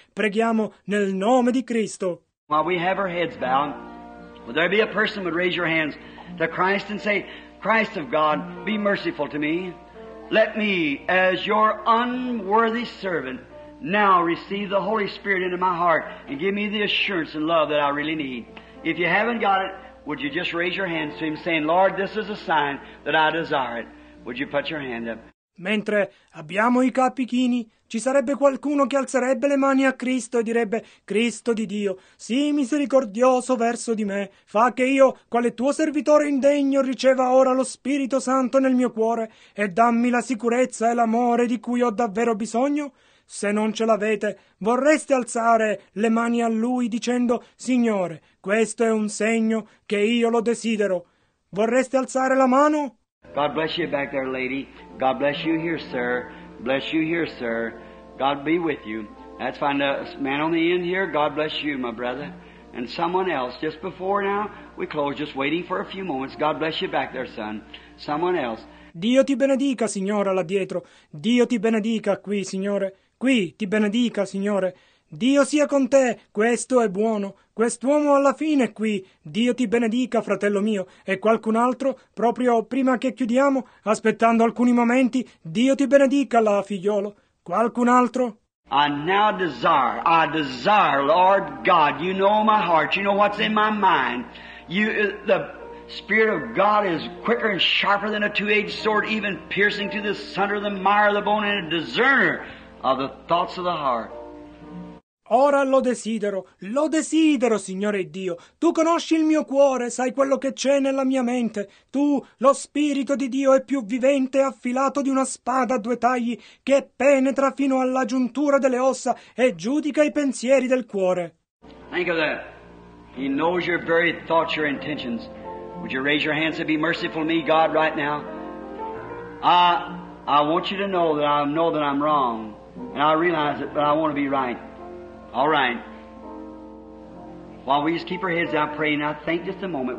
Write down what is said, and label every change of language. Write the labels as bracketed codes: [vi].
[it] Preghiamo nel nome di Cristo. [en] While we have our heads bowed, would there be a person who would raise your hands to Christ and say, Christ of God, be merciful to me. Let me, as your unworthy servant, now receive the Holy Spirit into my heart and give me the assurance and love that I really need. If you haven't got it, would you just raise your hands to Him saying, Lord, this is a sign that I desire it. Would you put your hand up? [it] Mentre abbiamo i capi chini, ci sarebbe qualcuno che alzerebbe le mani a Cristo e direbbe, Cristo di Dio, sii misericordioso verso di me, fa che io, quale tuo servitore indegno, riceva ora lo Spirito Santo nel mio cuore e dammi la sicurezza e l'amore di cui ho davvero bisogno? Se non ce l'avete, vorreste alzare le mani a Lui dicendo, Signore, questo è un segno che io lo desidero. Vorreste alzare la mano? [en] God bless you back there, lady. God bless you here, sir. Bless you here, sir. God be with you. That's fine. Man on the end here, God bless you, my brother. And someone else, just before now, we close, just waiting for a few moments. God bless you back there, son. Someone else. [it] Dio ti benedica, signora, là dietro. Dio ti benedica qui, signore. Qui ti benedica, signore. Dio sia con te, questo è buono. Quest'uomo alla fine è qui. Dio ti benedica, fratello mio. E qualcun altro, proprio prima che chiudiamo, aspettando alcuni momenti, Dio ti benedica là, figliolo. Qualcun altro? [en] I now desire, I desire, Lord God, you know my heart, you know what's in my mind. You, the Spirit of God is quicker and sharper than a two-edged sword, even piercing to the center of the mire of the bone and a discerner of the thoughts of the heart. [it] Ora lo desidero, Signore Dio. Tu conosci il mio cuore, sai quello che c'è nella mia mente. Tu, lo Spirito di Dio, è più vivente e affilato di una spada a due tagli che penetra fino alla giuntura delle ossa e giudica i pensieri del cuore. [en] Think of that. He knows your very thoughts, your intentions. Would you raise your hands and be merciful to me, God, right now? I want you to know that I'm wrong. And I realize it, but I want to be right. All right. While we just keep our heads out praying, I think just a moment.